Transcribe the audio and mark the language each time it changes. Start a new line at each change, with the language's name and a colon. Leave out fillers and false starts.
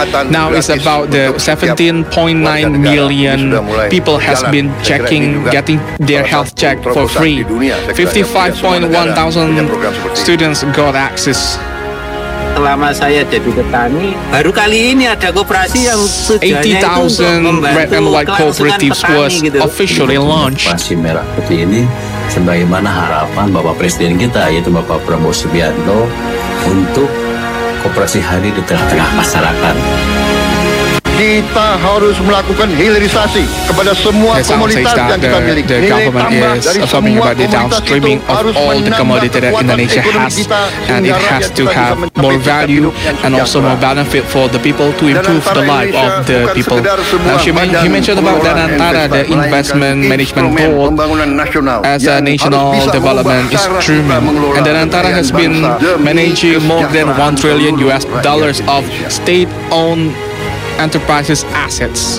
English: Now it's about the 17.9 million people has been checking, getting their health check for free. 55.1 thousand students got access.
Indonesian: Selama saya jadi petani, baru kali ini ada koperasi yang sejajarnya itu.
English: 80,000 red and white cooperatives was officially launched.
Indonesian: Koperasi merah putih ini, sebagaimana harapan Bapak Presiden kita, yaitu Bapak Prabowo Subianto, untuk koperasi hari di tengah-tengah masyarakat. Kita harus melakukan hilirisasi kepada semua komoditas yang kita miliki.
English: The government is talking about the downstreaming of all the commodity that Indonesia has, and it has to have more value and also more benefit for the people to improve the life of the people. Now, you mentioned about Danantara, the Investment Management Board, as a national development instrument, and Danantara has been managing more than $1 trillion of state-owned enterprises assets.